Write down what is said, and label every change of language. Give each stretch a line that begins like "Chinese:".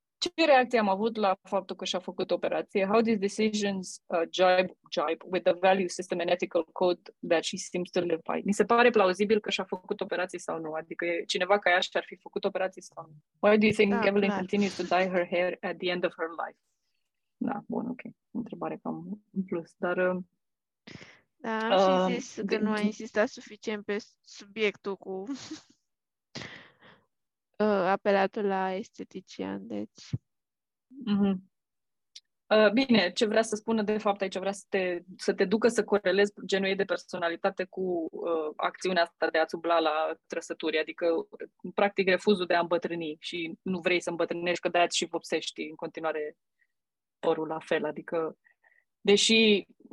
Romanian: Ce reacție am avut la faptul că și-a făcut operație?
English: How these decisions jibe with the value system and ethical code that she seems to live by?
Romanian: Mi se pare plauzibil că și-a făcut operație sau nu? Adică cineva ca ea și-ar fi făcut operație sau nu?
English: Why do you think Evelyn continues to dye her hair at the end of her life?
Romanian: Da, bun, ok. Întrebare cam în plus, dar... Da, am și zis că nu a insistat suficient pe subiectul cu... apelatul la estetician, deci... Bine, ce vrea să spună de fapt aici, vrea să te ducă să corelezi genul ei de personalitate cu acțiunea asta de a-ți umbla la trăsături, adică practic refuzul de a îmbătrâni și nu vrei să îmbătrânești, că de-aia și vopsești în continuare părul la fel, adică deși